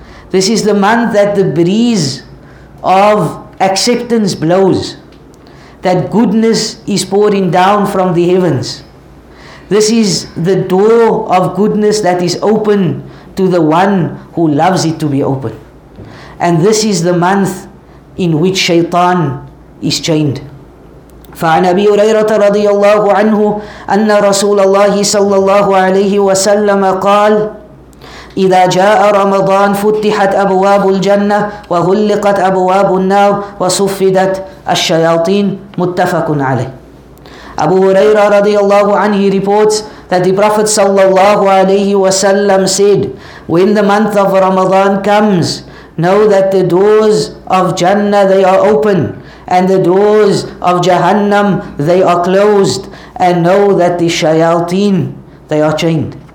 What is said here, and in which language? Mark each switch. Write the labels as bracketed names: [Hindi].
[English] This is the month that the breeze of acceptance blows, that goodness is pouring down from the heavens. This is the door of goodness that is open to the one who loves it to be open. And this is the month in which shaitan is chained. [Arabic] فعن أبي هريرة رضي الله عنه أن رسول الله صلى الله عليه وسلم قال إذا جاء رمضان فتحت أبواب الجنة وغلقت أبواب النار وصفدت الشياطين. متفق عليه. [English] أبو هريرة رضي الله عنه reports that the Prophet [Arabic] صلى الله عليه وسلم [English] said, when the month of Ramadan comes, know that the doors of Jannah, they are open, and the doors of Jahannam, they are closed, and know that the shayateen, they are chained.